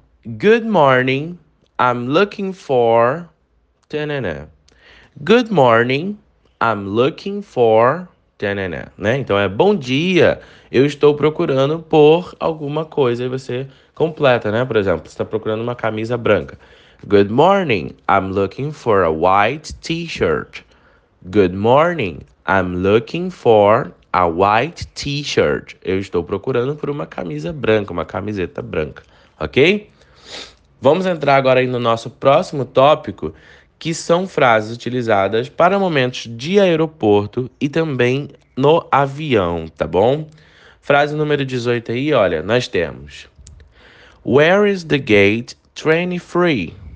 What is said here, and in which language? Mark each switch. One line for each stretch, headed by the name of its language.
English: Good morning, I'm looking for... Ta-na-na. Good morning, I'm looking for... Tenené, né?
Portuguese: Então é bom dia, eu estou procurando por alguma coisa e você completa, né? Por exemplo, você está procurando uma camisa branca.
English: Good morning, I'm looking for a white t-shirt. Good morning, I'm looking for a white t-shirt.
Portuguese: Eu estou procurando por uma camisa branca, uma camiseta branca, ok? Vamos entrar agora aí no nosso próximo tópico, que são frases utilizadas para momentos de aeroporto e também no avião, tá bom? Frase número 18 aí, olha, nós temos:
English: Where is the gate 23?